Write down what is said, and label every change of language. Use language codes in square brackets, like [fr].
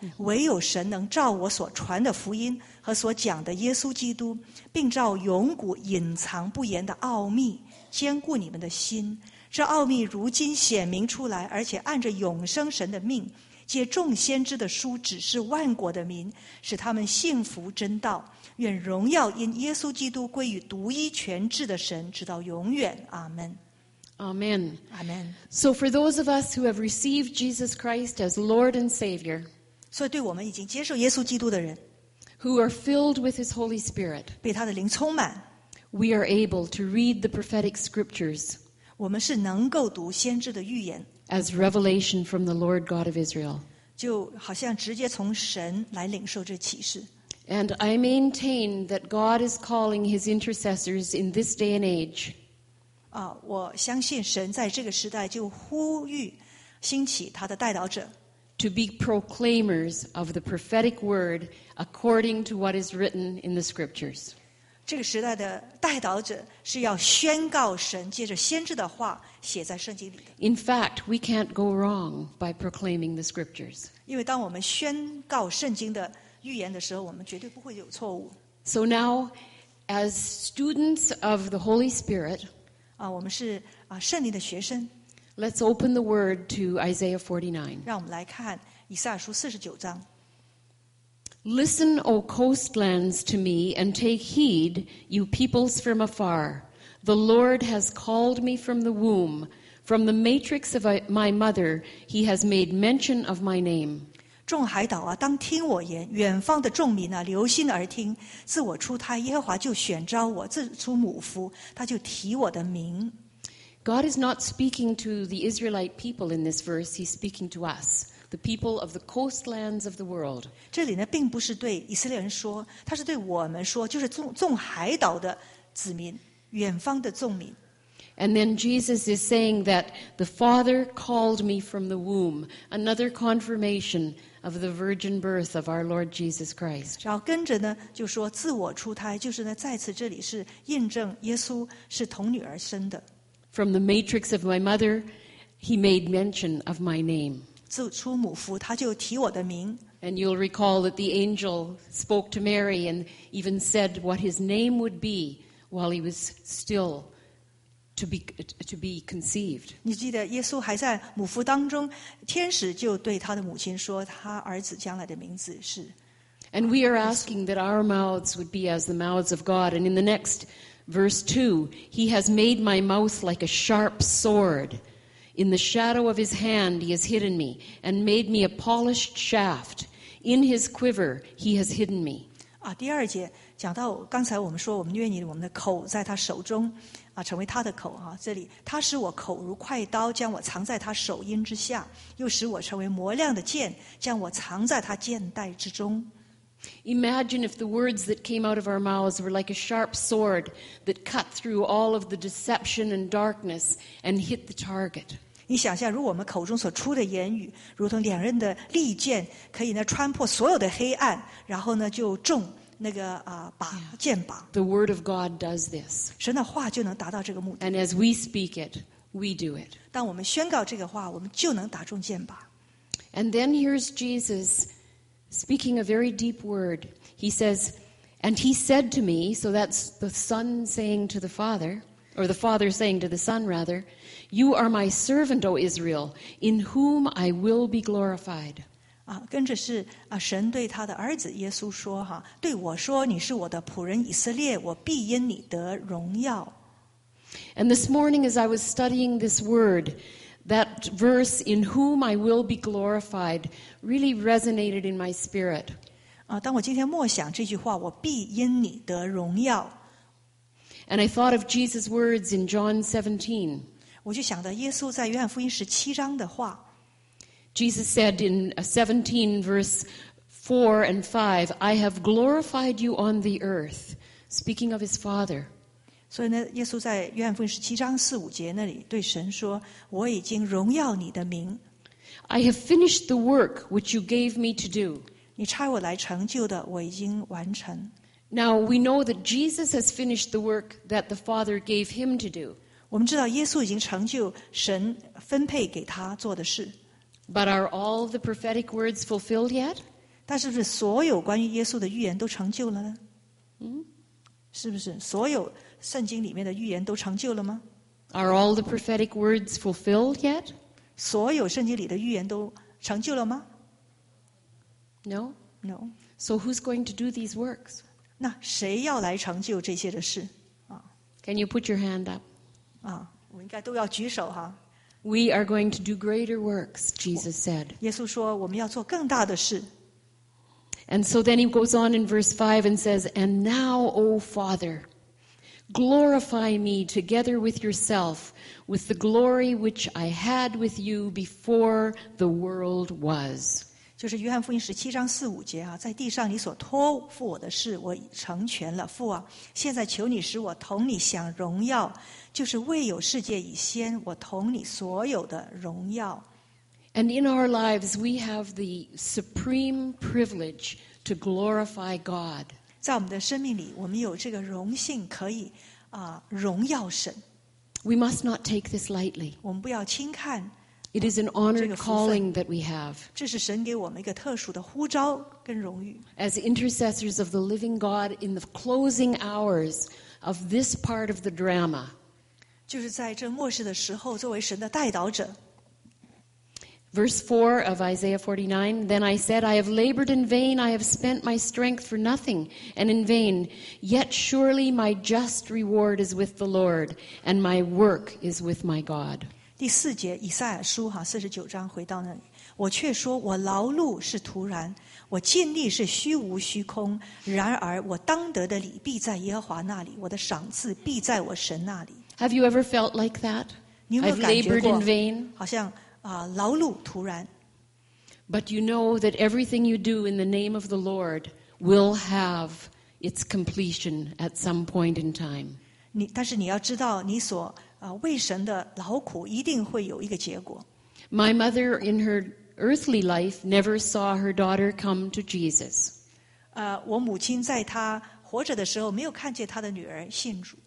[zh] 唯有神能照我所传的福音和所讲的耶稣基督，并照永古隐藏不言的奥秘坚固你们的心。这奥秘如今显明出来，而且按着永生神的命，借众先知的书指示万国的民，使他们信服真道。愿荣耀因耶稣基督归于独一全智的神，直到永远。阿门。 [en] Amen. Amen. So for those of us who have received Jesus Christ as Lord and Savior, [zh] 所以对我们已经接受耶稣基督的人 [en] ，who are filled with His Holy Spirit, [zh] 被他的灵充满 [en] ，we are able to read the prophetic scriptures. [zh] 我们是能够读先知的预言 [en] ，as revelation from the Lord God of Israel. [zh] 就好像直接从神来领受这启示。 [en] And I maintain that God is calling His intercessors in this day and age. [zh] 我相信神在这个时代就呼吁兴起他的代祷者 [en] to be proclaimers of the prophetic word according to what is written in the scriptures. [zh] 这个时代的代祷者是要宣告神借着先知的话写在圣经里的。 [en] In fact, we can't go wrong by proclaiming the scriptures. [zh] 因为当我们宣告圣经的预言的时候，我们绝对不会有错误。 [en] So now, as students of the Holy Spirit, [zh] 我们是圣灵的学生。 [en] Let's open the Word to Isaiah 49. [zh] 让我们来看以赛亚书四十九章。 [en] Listen, O coastlands, to me, and take heed, you peoples from afar. The Lord has called me from the womb, from the matrix of my mother, He has made mention of my name. [zh] 众海岛啊，当听我言，远方的众民啊，留心而听。自我出胎，耶和华就选召我；自出母腹，他就提我的名。 [en] God is not speaking to the Israelite people in this verse. He's speaking to us, the people of the coastlands of the world. [zh] 这里呢，并不是对以色列人说，他是对我们说，就是众海岛的子民，远方的众民。 [en] And then Jesus is saying that the Father called me from the womb, another confirmation of the virgin birth of our Lord Jesus Christ. [zh] 然后跟着呢，就说自我出胎，就是呢，在此这里是印证耶稣是童女儿生的。 [en] From the matrix of my mother, he made mention of my name. [zh] 自出母腹，他就提我的名。 [en] And you'll recall that the angel spoke to Mary and even said what his name would be while he was still. To be conceived. [zh] 你记得耶稣还在母腹当中，天使就对他的母亲说，他儿子将来的名字是。 [en] And we are asking that our mouths would be as the mouths of God. And in the next verse 2, He has made my mouth like a sharp sword. In the shadow of His hand He has hidden me, and made me a polished shaft. In His quiver He has hidden me. [zh] 第二节讲到刚才我们说，我们愿意我们的口在他手中。成为他的口啊！这里他使我口如快刀，将我藏在他手阴之下；又使我成为磨亮的剑，将我藏在他剑带之中。 [en] Imagine if the words that came out of our mouths were like a sharp sword that cut through all of the deception and darkness and hit the target. [zh] 你想象，如果我们口中所出的言语如同两刃的利剑，可以呢穿破所有的黑暗，然后呢就中。那个剑靶。 [en] The word of God does this. [zh] 神的话就能达到这个目的。 [en] And as we speak it, we do it. [zh] 当我们宣告这个话，我们就能打中剑靶。 [en] And then here's Jesus speaking a very deep word. He says, and he said to me, so that's the Son saying to the Father, or the Father saying to the Son rather, you are my servant, O Israel, in whom I will be glorified. [zh] 跟着是神对他的儿子耶稣说哈，对我说，你是我的仆人以色列，我必因你得荣耀。 [en] And this morning, as I was studying this word, that verse "In whom I will be glorified" really resonated in my spirit. [zh] 当我今天默想这句话，我必因你得荣耀。 [en] And I thought of Jesus' words in John 17. [zh] 我就想到耶稣在约翰福音十七章的话。 [en] Jesus said in 17 verse 4 and 5, I have glorified you on the earth, speaking of his Father. [zh] 所以呢，耶稣在约翰福音十七章四五节那里对神说，我已经荣耀你的名。 [en] I have finished the work which you gave me to do. [zh] 你差我来成就的，我已经完成。 [en] Now we know that Jesus has finished the work that the Father gave him to do. [zh] 我们知道耶稣已经成就神分配给他做的事。 [en] But are all the prophetic words fulfilled yet? [zh] 但是不是所有关于耶稣的预言都成就了呢？是不是所有圣经里面的预言都成就了吗？ [en] Are all the prophetic words fulfilled yet? [zh] 所有圣经里的预言都成就了吗？ [en] No. No. So who's going to do these works? [zh] 那谁要来成就这些的事？ [en] Can you put your hand up? [zh] 我应该都要举手哈。 [en] We are going to do greater works, Jesus said. [zh] 耶稣说我们要做更大的事。 [en] And so then he goes on in verse 5 and says, And now, O Father, glorify me together with yourself with the glory which I had with you before the world was. [zh] 就是约翰福音十七章四五节啊，在地上你所托付我的事我成全了，父啊，现在求你使我同你享荣耀，就是未有世界以先，我同你所有的荣耀。 [en] And in our lives, we have the supreme privilege to glorify God. [zh] 在我们的生命里，我们有这个荣幸可以荣耀神。 [en] We must not take this lightly. [zh] 我们不要轻看。 [en] It is an honored calling that we have. [zh] 这是神给我们一个特殊的呼召跟荣誉。 [en] As intercessors of the living God in the closing hours of this part of the drama. [zh] 就是在这末世的时候作为神的代导者。 [en] Verse 4 of Isaiah 49, Then I said, I have labored in vain, I have spent my strength for nothing and in vain. Yet surely my just reward is with the Lord and my work is with my God. [zh] 第四节以赛亚书四十九章回到那里，我却说我劳碌是徒然，我尽力是虚无虚空，然而我当得的礼必在耶和华那里，我的赏赐必在我神那里。 [en] Have you ever felt like that? [zh] 你有没有感觉过 [en] I've labored in vain? [zh] 好像劳碌徒然。 [en] But you know that everything you do in the name of the Lord will have its completion at some point in time. [zh] 但是你要知道你所为神的劳苦一定会有一个结果。 [en] My mother in her earthly life never saw her daughter come to Jesus. [zh] 我母亲在她活着的时候没有看见她的女儿信主。